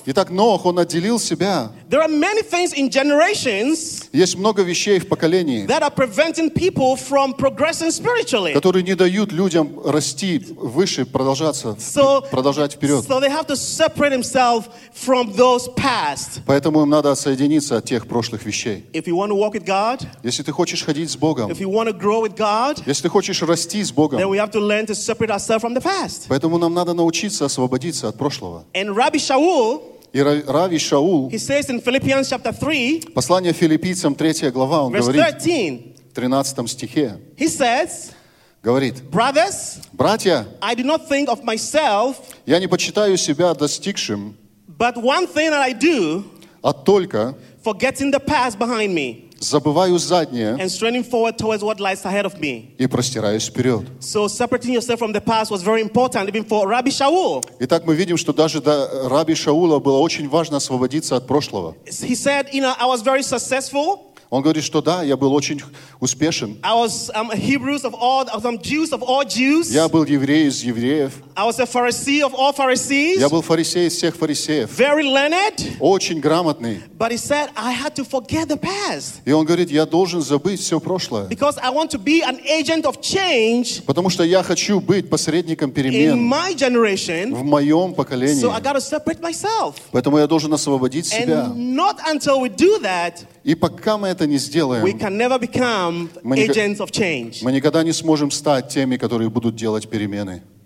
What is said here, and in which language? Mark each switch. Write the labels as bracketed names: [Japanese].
[Russian] Итак, Ноах, он отделил себя. [English] There are many things in generations. [Russian] Есть много вещей в поколении. [English] That are preventing people from progressing spiritually. [Russian] Которые не дают людям расти выше, продолжать вперед. [English] So they have to separate themselves from those past. [Russian] Поэтому им надо отсоединиться от тех прошлых вещей. [English] If you want to walk with God. [Russian] Если ты хочешь ходить с Богом. [English] If you want to grow with God. [Russian] Если ты хочешь расти с Богом. [English] Then we have to learn to separate ourselves from the past. [Russian] Поэтому нам надо научиться освободиться от прошлого. [English] And Rabbi Shaul. [Russian] И Рави Шаул, [English] he says in Philippians chapter 3, [Russian] послание филиппийцам, 3 глава, он [English] verse 13, [Russian] говорит, в 13 стихе, [English] he says, [Russian] говорит, [English] brothers, [Russian] братья, [English] I do not think of myself, [Russian] я не почитаю себя достигшим, [English] but one thing that I do, [Russian] а только [English] forgetting the past behind me, [Russian] забываю заднее [English] and straining forward towards what lies ahead of me. [Russian] И простираюсь вперед. [English] So separating yourself from the past was very important even for Rabbi Shaul. [Russian] Итак, мы видим, что даже до Раби Шаула было очень важно освободиться от прошлого. [English] He said, you know, I was very successful. [Russian] Он говорит, что да, я был очень успешен. [English] I was Hebrews of all, I'm Jews of all Jews. [Russian] Я был еврей из евреев. [English] I was a Pharisee of all Pharisees. [Russian] Я был фарисеем из всех фарисеев. [English] Very learned. [Russian] Очень грамотный. [English] But he said, I had to forget the past. [Russian] И он говорит, я должен забыть все прошлое. [English] Because I want to be an agent of change. [Russian] Потому что я хочу быть посредником перемен. [English] In my generation. [Russian] В моем поколении. [English] So I got to separate myself. [Russian] Поэтому я должен освободить себя. [English] And not until we do that. [Russian] И пока мы это не сделаем, [English] we can never become agents of change. [Russian] Мы никогда не сможем стать теми, которые будут делать перемены.